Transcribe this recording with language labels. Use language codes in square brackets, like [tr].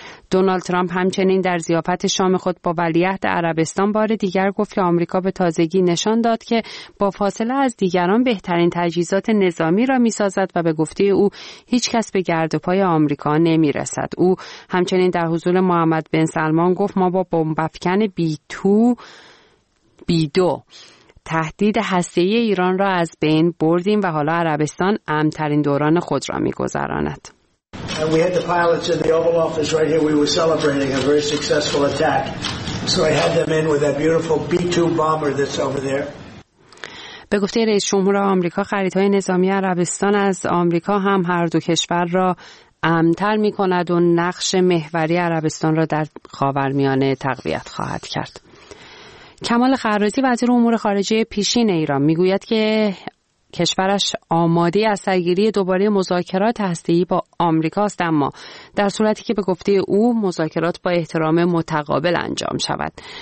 [fa] دونالد ترامپ همچنین در ضیافت شام خود با ولیعهد عربستان بار دیگر گفت که آمریکا به تازگی نشان داد که با فاصله از دیگران بهترین تجهیزات نظامی را می‌سازد و به گفته او هیچ کس به گرد و پای آمریکا نمی‌رسد. او همچنین در حضور محمد بن سلمان گفت ما با بمب‌افکن بی‌2 تهدید هسته‌ای ایران را از بین بردیم و حالا عربستان امن‌ترین دوران خود را می‌گذراند. [en] And we had the pilots in the Oval Office right here. We were celebrating a very successful attack. So I had them in with that beautiful B-2 bomber that's over there. [fa] به گفته رئیس جمهور آمریکا، خریدهای نظامی عربستان از آمریکا هم هر دو کشور را امن‌تر می‌کند و نقش محوری عربستان را در خاورمیانه تقویت خواهد کرد. کمال خرازی، وزیر امور خارجه پیشین ایران، میگوید که کشورش آماده از سرگیری دوباره مذاکرات هسته‌ای با آمریکا است، اما در صورتی که به گفته او مذاکرات با احترام متقابل انجام شود.